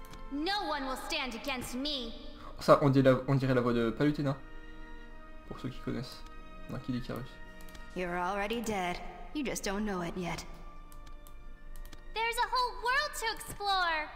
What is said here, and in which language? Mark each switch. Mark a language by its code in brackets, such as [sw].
[en] No one will stand against me. [fr] Ça, on dirait la voix de Palutena, pour ceux qui connaissent, dans Kid Icarus. [en] You're already dead. You just don't know it yet. There's a whole world to explore.